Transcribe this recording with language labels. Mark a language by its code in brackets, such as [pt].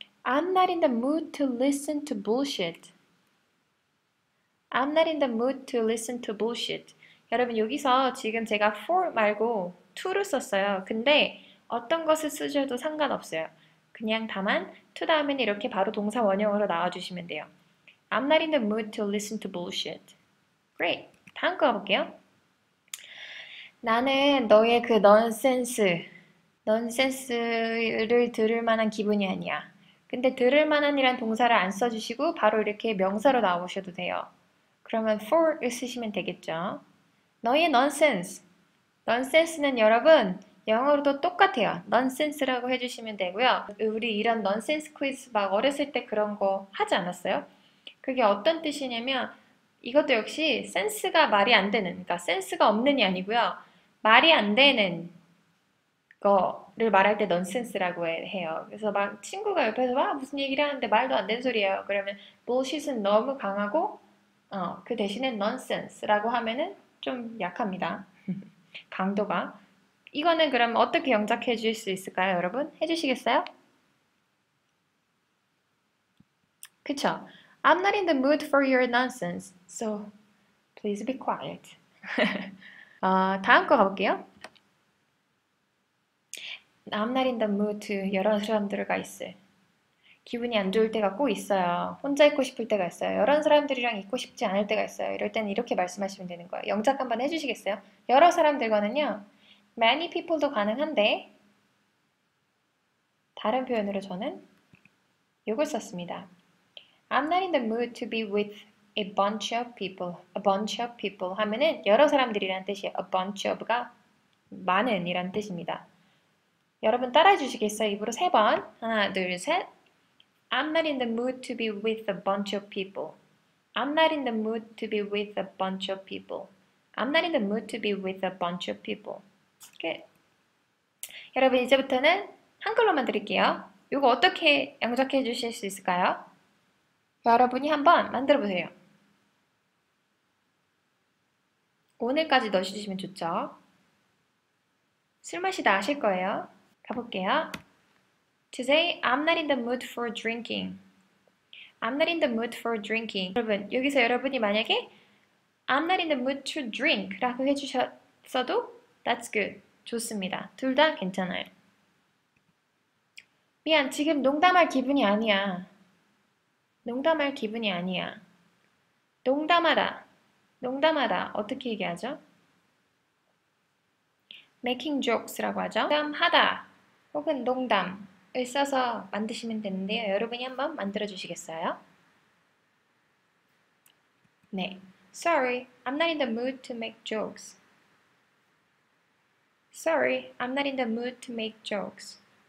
[en] I'm not in the mood to listen to bullshit. I'm not in the mood to listen to bullshit. [ko] 여러분 여기서 지금 제가 for 말고 to를 썼어요. 근데 어떤 것을 쓰셔도 상관없어요. 그냥 다만 to 다음에는 이렇게 바로 동사 원형으로 나와주시면 돼요. [en] I'm not in the mood to listen to bullshit. Great. [ko] 다음 거 가볼게요. 나는 너의 그 넌센스를 들을 만한 기분이 아니야. 근데 들을 만한이란 동사를 안 써주시고 바로 이렇게 명사로 나오셔도 돼요. 그러면 for을 쓰시면 되겠죠. 너의 넌센스. 넌센스는 여러분 영어로도 똑같아요. 넌센스라고 해주시면 되고요. 우리 이런 넌센스 퀴즈 막 어렸을 때 그런 거 하지 않았어요? 그게 어떤 뜻이냐면 이것도 역시 센스가 말이 안 되는, 그러니까 센스가 없는이 아니고요. 말이 안 되는 거를 말할 때 넌센스라고 해요. 그래서 막 친구가 옆에서 와, 무슨 얘기를 하는데 말도 안 되는 소리예요. 그러면 bullshit은 너무 강하고 그 대신에 넌센스라고 하면은 좀 약합니다. 강도가. 이거는 그럼 어떻게 영작해 주실 수 있을까요, 여러분? 해 주시겠어요? 그쵸? [en] I'm not in the mood for your nonsense, so please be quiet. [ko] 다음 거 가볼게요. [en] I'm not in the mood to [ko] 이런 사람들과 있을. 기분이 안 좋을 때가 꼭 있어요. 혼자 있고 싶을 때가 있어요. 이런 사람들이랑 있고 싶지 않을 때가 있어요. 이럴 때는 이렇게 말씀하시면 되는 거예요. 영작 한번 해주시겠어요? 여러 사람들과는요, many people도 가능한데, 다른 표현으로 저는 이걸 썼습니다. [en] I'm not in the mood to be with a bunch of people. [ko] A bunch of people 하면은 여러 사람들이란 뜻이에요. A bunch of가 많은 이란 뜻입니다. 여러분 따라해 주시겠어요? 입으로 세 번. 하나, 둘, 셋. [en] I'm not in the mood to be with a bunch of people. I'm not in the mood to be with a bunch of people. I'm not in the mood to be with a bunch of people. Good. [ko] 여러분 이제부터는 한글로만 드릴게요. 이거 어떻게 영작해 주실 수 있을까요? 여러분이 한번 만들어 보세요. 오늘까지 넣으시면 좋죠. 술 마시다 아실 거예요. 가볼게요. [en] Today, I'm not in the mood for drinking. I'm not in the mood for drinking. [ko] 여러분, 여기서 여러분이 만약에 [en] I'm not in the mood to drink [ko] 라고 해주셨어도 [en] That's good. [ko] 좋습니다. 둘다 괜찮아요. 미안, 지금 농담할 기분이 아니야. 농담할 기분이 아니야. 농담하다. 농담하다. 어떻게 얘기하죠? Making jokes라고 하죠. 농담하다. 혹은 농담을 써서 만드시면 되는데요. 여러분이 한번 만들어 주시겠어요? 네. [en] Sorry, I'm not in the mood to make jokes. Sorry, I'm not in the mood to make jokes.